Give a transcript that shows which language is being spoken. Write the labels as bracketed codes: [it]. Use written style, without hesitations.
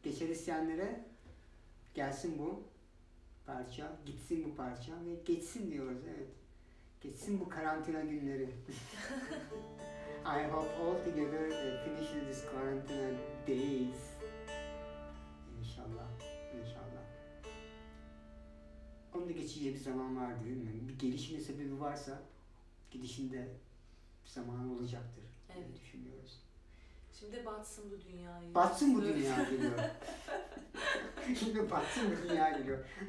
[tr] İsteyenlere gelsin bu parça, gitsin bu parça ve geçsin diyoruz, evet. Geçsin bu karantina günleri. [en] I hope all together finishes this quarantine days. [tr] İnşallah, inşallah. Onun da geçeceği bir zaman var değil mi? Bir gelişme sebebi varsa gidişinde bir zaman olacaktır. Evet. Diye düşünüyoruz. Şimdi batsın bu dünyayı. Batsın bu dünya geliyor. Şimdi batsın bu dünya geliyor.